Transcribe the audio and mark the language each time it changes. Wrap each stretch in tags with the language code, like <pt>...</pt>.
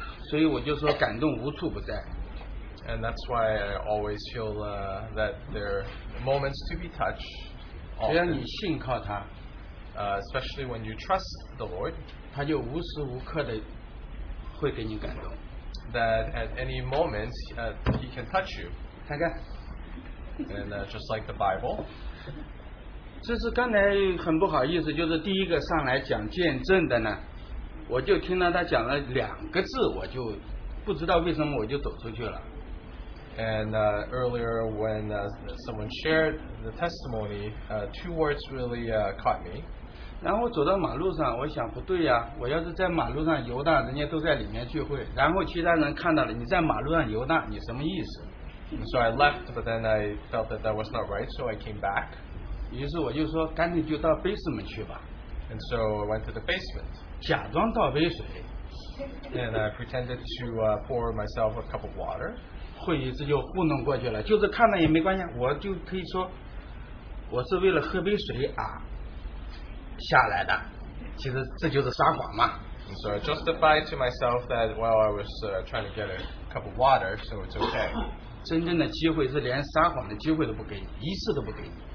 <zh>所以我就说感动无处不在</zh> <en>And that's why I always feel that there are moments to be touched</en> <zh>只要你信靠他</zh> <en>Especially when you trust the Lord</en> <zh>他就无时无刻地会给你感动</zh> <en>That at any moment he can touch you.</en> <zh>看看.</zh> <en>And just like the Bible.</en> <zh>这是刚才很不好意思, 就是第一个上来讲见证的呢, 我就听到他讲了两个字, 我就不知道为什么, 我就走出去了.</zh> <en>And earlier when someone shared the testimony, two words really caught me.</en> <zh>然后走到马路上 我想不对啊 我要是在马路上游荡 人家都在里面聚会 然后其他人看到了 你在马路上游荡 你什么意思</zh> <en>So I left but then I felt that that was not right so I came back</en> <zh>于是我就说 干脆就到basement去吧</zh> <en>And so I went to the basement</en> <zh>假装倒杯水</zh> <en>And I pretended to pour myself a cup of water</en> <zh>会议就糊弄过去了 就是看了也没关系 我就可以说 我是为了喝杯水啊 下来的，其实这就是撒谎嘛。</zh> <en>And so I justified to myself that while I was trying to get a cup of water, so it's okay.</en> <zh>真正的机会是连撒谎的机会都不给你，一次都不给你。</zh>